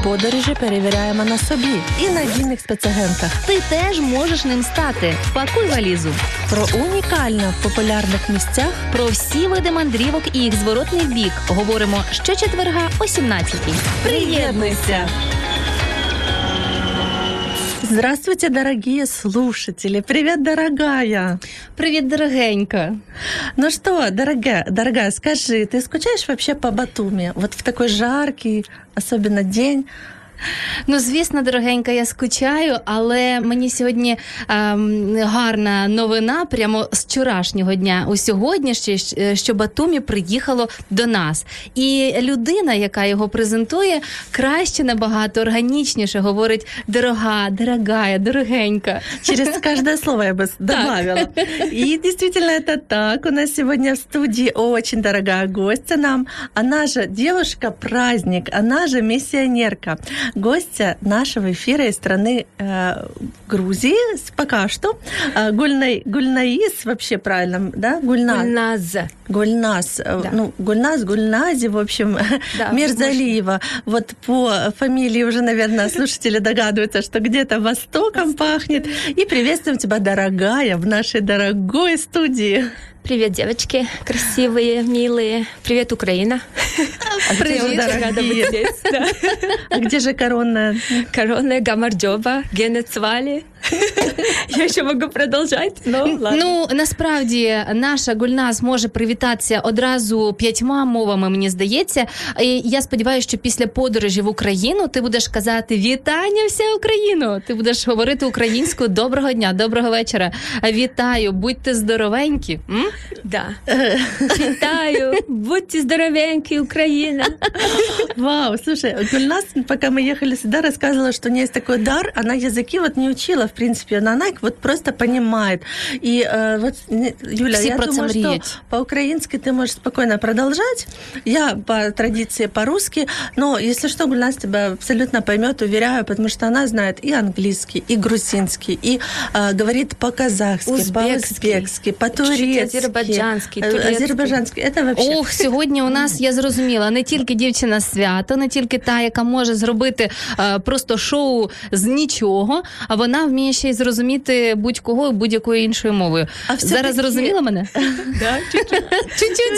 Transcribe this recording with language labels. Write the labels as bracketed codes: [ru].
[uk] Подорожі перевіряємо на собі і на вільних спецагентах. Ти теж можеш ним стати. Пакуй валізу. Про унікальне в популярних місцях, про всі види мандрівок і їх зворотний бік говоримо щочетверга о 17:00. Приєднуйся! [ru] Здравствуйте, дорогие слушатели. Привет, дорогая. Привет, дорогенька. Ну что, дорогая, скажи, ты скучаешь вообще по Батуми? Вот в такой жаркий, особенно день. [uk] Ну, звісно, дорогенька, я скучаю, але мені сьогодні гарна новина прямо з вчорашнього дня. У сьогодні ще, що Батумі приїхало до нас. І людина, яка його презентує, краще набагато, органічніше говорить «дорога», «дорогая», «дорогенька». Через кожне слово я би додавила. І, дійсно, це так. У нас сьогодні в студії дуже дорога гостя нам. Вона ж дівчинка-праздник, вона ж місіонерка. [ru] Гостя нашего эфира из страны Грузии пока что. Гульнаис, вообще правильно, да? Гульназ. Гульназ. Да. Ну, Гульназ, Гульнази, в общем, да, Мирзалиева. Вот по фамилии уже, наверное, слушатели догадываются, что где-то востоком пахнет. И приветствуем тебя, дорогая, в нашей дорогой студии. Привет, девочки красивые, милые. Привет, Украина. А привет, дорогие. Да. А где же коронная? [ka] Коронная, гамарджоба, генецвали. [uk] Я ще можу продовжати? Ну, ладно. Ну, насправді, наша Гульназ може привітатися одразу 5 мовами, мені здається. І я сподіваюся, що після подорожі в Україну ти будеш казати «Вітання, вся Україна!» Ти будеш говорити українською «Доброго дня, доброго вечора!» «Вітаю, будьте здоровенькі!» [ru] Да. [uk] «Вітаю, будьте здоровенькі, Україна!» Вау, слушай, Гульназ, поки ми їхали сюди, розказувала, що у неї є такий дар, вона язики от не вчила. [ru] В принципе, она их вот просто понимает. И вот, Юля, все я думаю, мрить. Что по-украински ты можешь спокойно продолжать. Я по традиции по-русски. Но, если что, Гульназ тебя абсолютно поймет, уверяю, потому что она знает и английский, и грузинский, и говорит по-казахски, по-узбекски, по-турецки. Азербайджанский. Это вообще... Ух, сегодня у нас, [uk] я зрозуміла, не тільки дівчина свята, не тільки та, яка може зробити просто шоу з нічого, а вона вміє ще й зрозуміти будь-кого будь-якою іншою мовою. А зараз зрозуміла мене? [ru] Так, чуть-чуть.